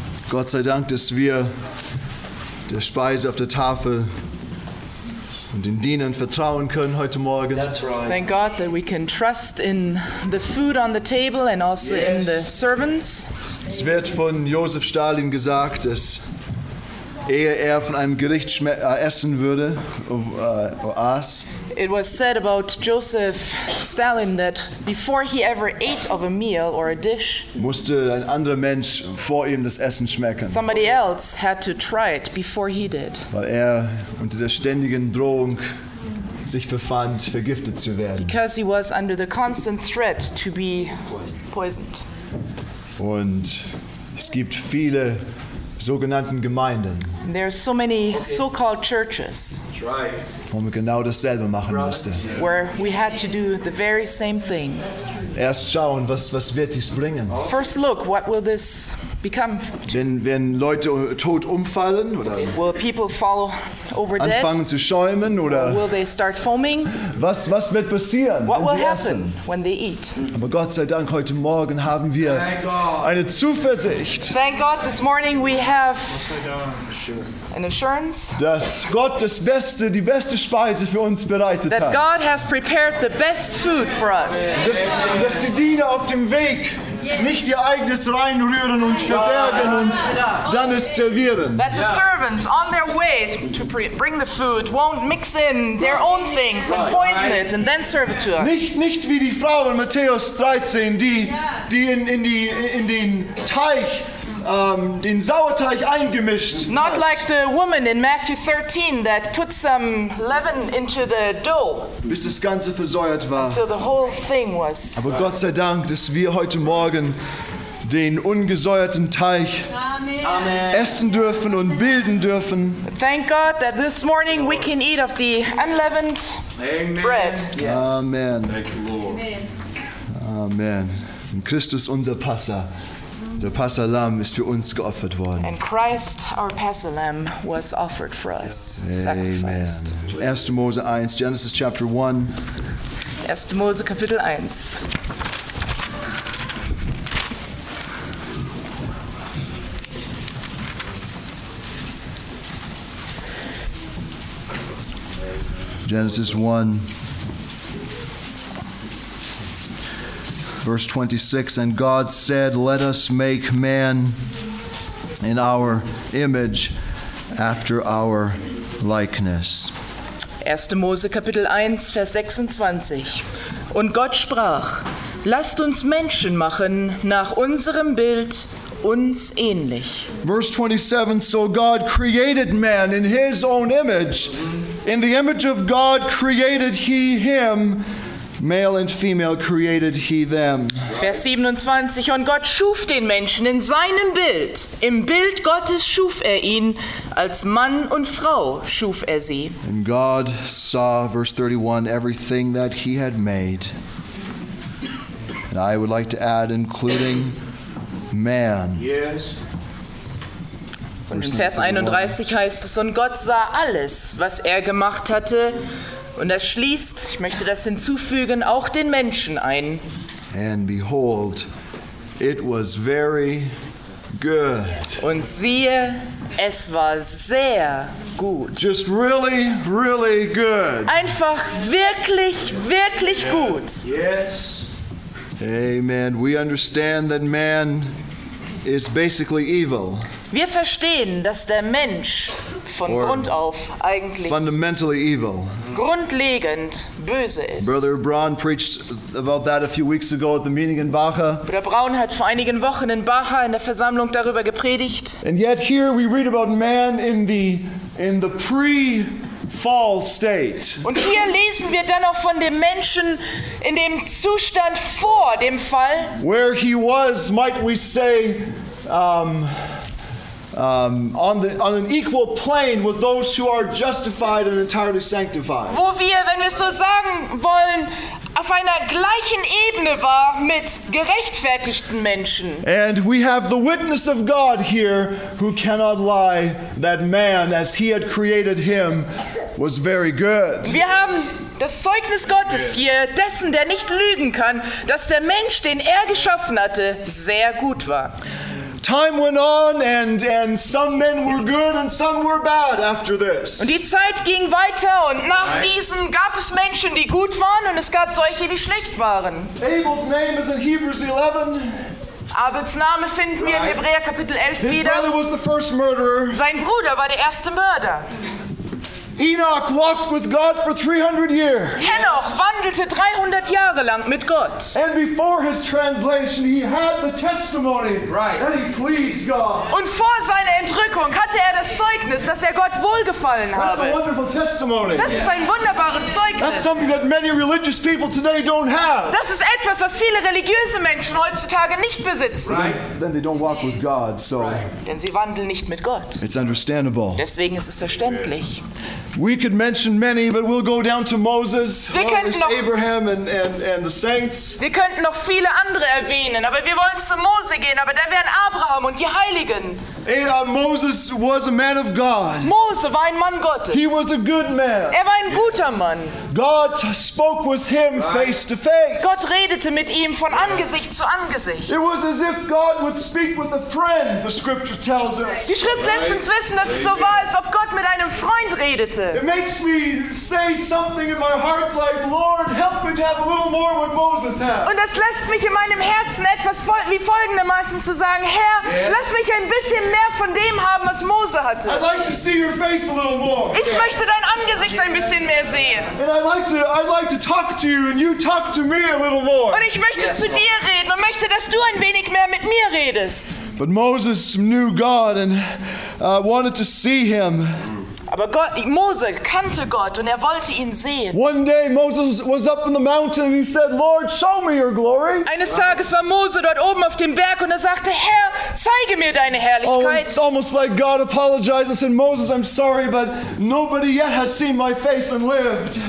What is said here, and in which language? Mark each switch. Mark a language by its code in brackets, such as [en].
[de] Gott sei Dank, dass wir der Speise auf der Tafel und den Dienern vertrauen können heute Morgen. [en] That's right. Thank God that we can trust in the food on the table and also yes. in the servants. [de] Es wird von Josef Stalin gesagt, dass ehe er von einem Gericht essen würde, aß. [en] It was said about Joseph Stalin that before he ever ate of a meal or a dish, [de] musste ein anderer Mensch vor ihm das Essen schmecken. [en] Somebody else had to try it before he did. [de] Weil er unter der ständigen Drohung sich befand, vergiftet zu werden. [en] Because he was under the constant threat to be poisoned. [de] Und es gibt viele sogenannten Gemeinden. [en] There are so many so-called churches. [de] Wo man genau dasselbe machen musste. [en] Where we had to do the very same thing. [de] Erst schauen, was wird dies bringen. [en] First look, what will this become? [de] Wenn Leute tot umfallen oder [en] will people fall over dead? [de] Anfangen zu schäumen oder [en] will they start foaming? [de] Was wird passieren, [en] what [de] wenn sie [en] happen [de] essen? [en] When they eat? [de] Aber Gott sei Dank, heute Morgen haben wir eine Zuversicht. [en] Thank God, this morning we have an assurance. [de] Dass Gott das Beste, die beste Speise für uns bereitet hat. [en] That God has prepared the best food for us. [de] Dass die Diener auf dem Weg nicht ihr eigenes reinrühren und verbergen und dann es servieren. [en] That the servants on their way to bring the food won't mix in their own things and poison it and then serve it to us. [de] Nicht wie die Frau in Matthäus 13, die in den Teich den Sauerteig eingemischt. [en] Not like the woman in Matthew 13 that put some leaven into the dough. [de] Bis das Ganze versäuert war. [en] Until the whole thing was. [de] Aber Gott sei Dank, dass wir heute Morgen den ungesäuerten Teig essen dürfen und bilden dürfen. [en] Thank God that this morning we can eat of the unleavened bread. Yes. Amen. Amen. [de] Amen. Christus unser Passa. Der Passahlamm ist für uns geopfert worden. [en] And Christ, our Passahlamm, was offered for us, Amen. Sacrificed. 1. Mose 1, Genesis chapter 1. [de] 1. Mose Kapitel 1. [en] Genesis 1. Verse 26, and God said, let us make man in our image after our likeness. [de] 1. Mose Kapitel 1, Vers 26. Und Gott sprach, lasst uns Menschen machen nach unserem Bild uns ähnlich. [en] Verse 27, so God created man in his own image. In the image of God created he him. Male and female created he them. [de] Vers 27, und Gott schuf den Menschen in seinem Bild. Im Bild Gottes schuf ihn, als Mann und Frau schuf sie. [en] And God saw, verse 31, everything that he had made. And I would like to add, including man. Yes. [de] Und in Vers 31 heißt es, und Gott sah alles, was gemacht hatte. Und das schließt, ich möchte das hinzufügen, auch den Menschen ein. [en] And behold, it was very good. [de] Und siehe, es war sehr gut. [en] Just really, really good. [de] Einfach wirklich, wirklich [en] yes. [de] gut. [en] Yes. Amen. We understand that man is basically evil. [de] Wir verstehen, dass der Mensch von [en] Or [de] Grund auf eigentlich [en] fundamentally evil. [de] Grundlegend böse ist. [en] Brother Braun preached about that a few weeks ago at the meeting in Baja. [de] Bruder Braun hat vor einigen Wochen in Baja in der Versammlung darüber gepredigt. [en] And yet here we read about man in the pre-fall state. [de] Und hier lesen wir dann auch von dem Menschen in dem Zustand vor dem Fall. [en] Where he was, might we say, on an equal plane with those who are justified and entirely sanctified. [de] Wo wir, wenn wir so sagen wollen, auf einer gleichen Ebene war mit gerechtfertigten Menschen. [en] And we have the witness of God here who cannot lie that man, as he had created him, was very good. [de] Wir haben Das Zeugnis Gottes hier, dessen, der nicht lügen kann, dass der Mensch, den er geschaffen hatte, sehr gut war. [en] Time went on and some men were good and some were bad after this. [de] Und die Zeit ging weiter und nach diesem gab es Menschen, die gut waren und es gab solche, die schlecht waren. [en] Abel's name is in Hebrews 11. [de] Abels Name finden wir in Hebräer Kapitel 11 wieder. [en] His brother was the first murderer. [de] Sein Bruder war der erste Mörder. [en] Enoch walked with God for 300 years. [de] Henoch wandelte 300 Jahre lang mit Gott. [en] And before his translation, he had the testimony. Right. And he pleased God. [de] Und vor seiner Entrückung hatte er das Zeugnis, dass er Gott wohlgefallen habe. [en] That's a wonderful testimony. [de] Das ist ein wunderbares Zeugnis. [en] That's something that many religious people today don't have. [de] Das ist etwas, was viele religiöse Menschen heutzutage nicht besitzen. [en] Right. Then they don't walk with God, so. Right. [de] Denn sie wandeln nicht mit Gott. [en] It's understandable. [de] Deswegen ist es verständlich. [en] We could mention many, but we'll go down to Moses, Abraham, and the saints. [de] Wir könnten noch viele andere erwähnen, aber wir wollen zu Mose gehen, aber da wären Abraham und die Heiligen. [en] Moses was a man of God. [de] Mose war ein Mann Gottes. [en] He was a good man. [de] Er war ein guter Mann. [en] God spoke with him face to face. [de] Gott redete mit ihm von Angesicht zu Angesicht. [en] It was as if God would speak with a friend, the scripture tells us. [de] Die Schrift lässt uns wissen, dass es so war, als ob Gott mit einem Freund redete. [en] It makes me say something in my heart like, Lord, help me to have a little more what Moses had. [de] Und das lässt mich in meinem Herzen etwas wie folgendermaßen zu sagen, Herr, lass mich ein bisschen mehr von dem haben, was Mose hatte. [en] I'd like to see your face a little more. [de] Ich möchte dein Angesicht ein bisschen mehr sehen. [en] And I'd like to talk to you and you talk to me a little more. [de] Und ich möchte zu dir reden und möchte, dass du ein wenig mehr mit mir redest. [en] But Moses knew God and wanted to see him. [de] Aber Mose kannte Gott und er wollte ihn sehen. [en] One day Moses was up in the mountain and he said, Lord, show me your glory. [de] Eines Tages war Mose dort oben auf dem Berg und er sagte, Herr, zeige mir deine Herrlichkeit. [en] Oh, it's almost like God apologized and said, Moses, I'm sorry, but nobody yet has seen my face and lived.